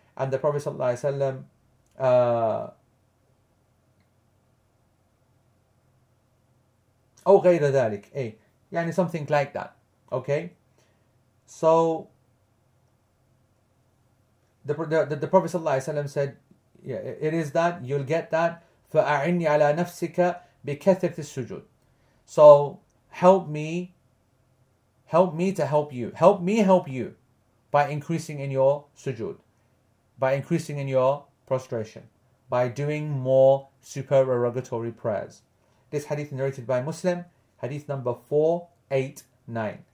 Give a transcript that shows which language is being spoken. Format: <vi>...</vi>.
<en>And the Prophet sallallahu alayhi wa sallam,</en> <ar>أو غير ذلك,</ar> <en>eh? Yani something like that. Okay? So the Prophet sallallahu alayhi wa sallam said, yeah, it is that, you'll get that.</en> <ar>فأعني على نفسك بكثرة السجود.</ar> <en>So help me help you by increasing in your sujood, by increasing in your prostration, by doing more supererogatory prayers. This hadith narrated by Muslim, hadith number 489.</en>